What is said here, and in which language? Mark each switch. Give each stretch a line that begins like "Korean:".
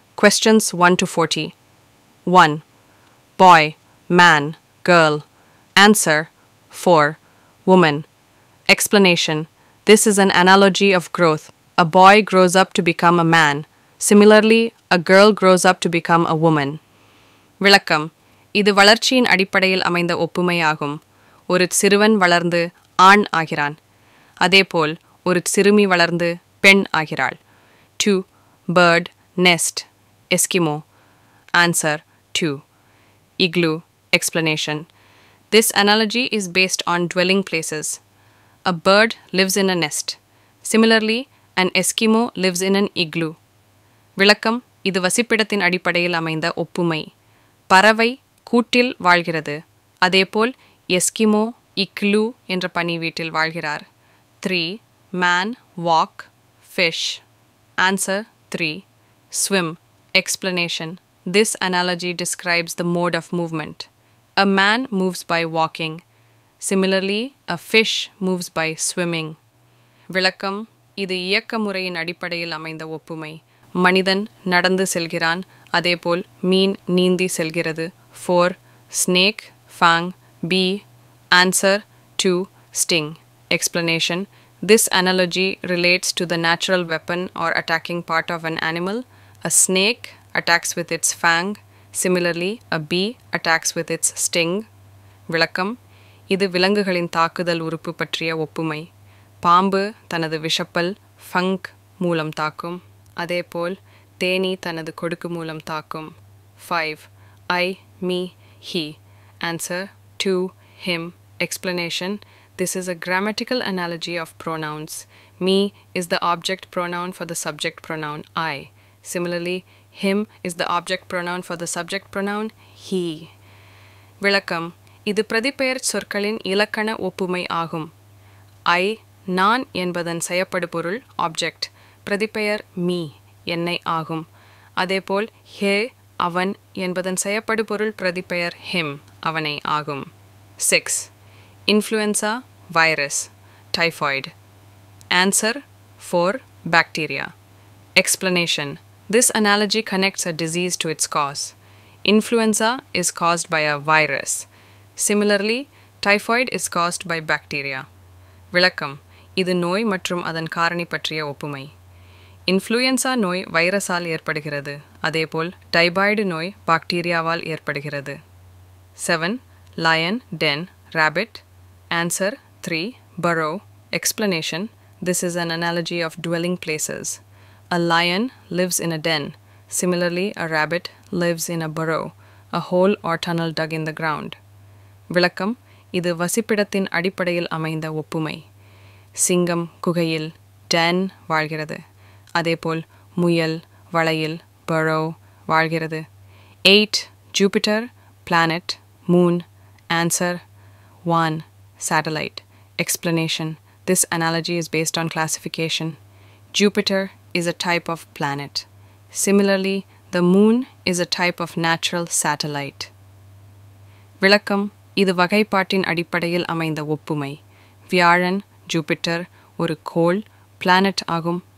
English: Questions 1 to 40. 1. Boy, man, girl. Answer. 4. Woman. Explanation. This is an analogy of growth. A boy grows up to become a man. Similarly, a girl grows up to become a woman.
Tamil: விளக்கம். இது வளர்ச்சியின் அடிப்படையில் அமைந்த ஒப்புமையாகும். ஒரு சிறுவன் வளர்ந்து ஆண் ஆகிறான். அதேபோல் ஒரு சிறுமி வளர்ந்து பெண் ஆகிறாள்.
English: 2. Bird, nest, Eskimo. Answer. 2. Igloo. Explanation. This analogy is based on dwelling places. A bird lives in a nest. Similarly, an Eskimo lives in an igloo.
Tamil: விளக்கம். இது வசிப்பிடத்தின் அடிப்படையில் அமைந்த ஒப்புமை. பறவை கூட்டில் வாழ்கிறது. அதேபோல் எஸ்கிமோ இக்லூ என்ற பனி வீட்டில் வாழ்கிறார்.
English: 3. Man, walk, fish. Answer. 3. Swim. Explanation. This analogy describes the mode of movement. A man moves by walking. Similarly, a fish moves by swimming.
Tamil: விளக்கம். இது இயக்க முறையின் அடிப்படையில் அமைந்த ஒப்புமை. மனிதன் நடந்து செல்கிறான். அதேபோல் மீன் நீந்தி செல்கிறது.
English: 4. Snake, fang, bee. Answer. 2. Sting. Explanation. This analogy relates to the natural weapon or attacking part of an animal. A snake attacks with its fang. Similarly, a bee attacks with its sting.
Tamil: விளக்கம். இது விலங்குகளின் தாக்குதல் உறுப்பு பற்றிய ஒப்புமை. பாம்பு தனது விஷப்பல் funk மூலம் தாக்கும். அதேபோல் தேனீ தனது கொடுக்கு மூலம் தாக்கும்.
English: 5. I me he. Answer. 2. Him. Explanation. This is a grammatical analogy of pronouns. Me is the object pronoun for the subject pronoun I. Similarly, him is the object pronoun for the subject pronoun he.
Tamil: விளக்கம். இது பிரதிபெயர் சொற்களின் இலக்கண ஒப்புமை ஆகும். I, நான் என்பதன் செயப்படு பொருள் object. பிரதிபெயர் me, என்னை ஆகும். அதேபோல் he, அவன் என்பதன் செயப்படு பொருள் பிரதிபெயர் him, அவனை ஆகும்.
English: 6. Influenza, virus, typhoid. Answer. 4. Bacteria. Explanation. This analogy connects a disease to its cause. Influenza is caused by a virus. Similarly, typhoid is caused by bacteria.
Tamil: விளக்கம். இது நோய் மற்றும் அதன் காரணி பற்றிய ஒப்புமை. இன்ஃப்ளூயன்சா நோய் வைரஸால் ஏற்படுகிறது. அதேபோல் டைபாய்டு நோய் பாக்டீரியாவால் ஏற்படுகிறது.
English: 7. Lion, den, rabbit. Answer. 3. Burrow. Explanation. This is an analogy of dwelling places. A lion lives in a den. Similarly, a rabbit lives in a burrow, a hole or tunnel dug in the ground.
Tamil: விளக்கம். இது வசிப்பிடத்தின் அடிப்படையில் அமைந்த ஒப்புமை. சிங்கம் குகையில், den வாழ்கிறது. அதேபோல் முயல் வளையில், burrow வாழ்கிறது.
English: 8. Jupiter, planet, moon. Answer. 1. Satellite. Explanation. This analogy is based on classification. Jupiter is a type of planet. Similarly, the moon is a type of natural satellite.
Tamil: விளக்கம். இது வகைப்பாட்டின் அடிப்படையில் அமைந்த ஒப்புமை. வியாழன் ஜூபிட்டர் ஒரு கோள் பிளானட் ஆகும்.